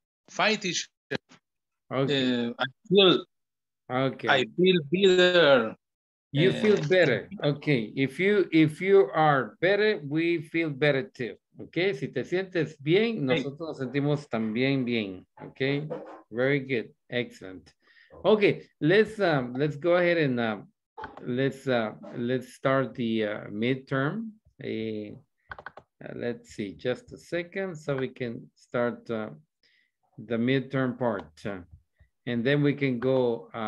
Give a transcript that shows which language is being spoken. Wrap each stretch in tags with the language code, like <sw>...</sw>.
<en>Fine, teacher. Okay. I feel better. You feel better, okay. If you are better, we feel better too, okay.</en> <es>Si te sientes bien, nosotros nos sentimos también bien, okay.</es> <en>Very good, excellent. Okay, let's go ahead and let's start the midterm. Let's see, just a second, so we can start the midterm part, and then we can go.</en>